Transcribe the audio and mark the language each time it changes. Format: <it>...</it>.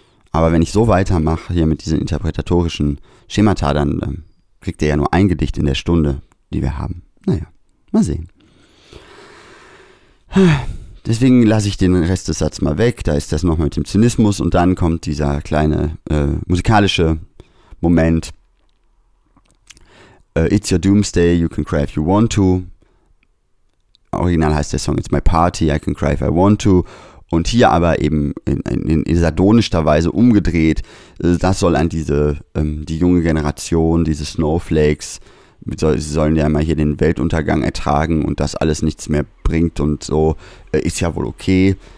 <de>Aber wenn ich so weitermache hier mit diesen interpretatorischen Schemata, dann kriegt ihr ja nur ein Gedicht in der Stunde, die wir haben. Naja, Mal sehen. Deswegen lasse ich den Rest des Satzes mal weg. Da ist das nochmal mit dem Zynismus. Und dann kommt dieser kleine musikalische Moment.</de> <en>It's your doomsday, you can cry if you want to.</en> <de>Original heißt der Song</de> <en>It's my party, I can cry if I want to.</en> <de>Und hier aber eben in sardonischer Weise umgedreht. Das soll an diese, die junge Generation, diese Snowflakes, sie sollen ja mal hier den Weltuntergang ertragen und das alles nichts mehr bringt und so, ist ja wohl okay.</de>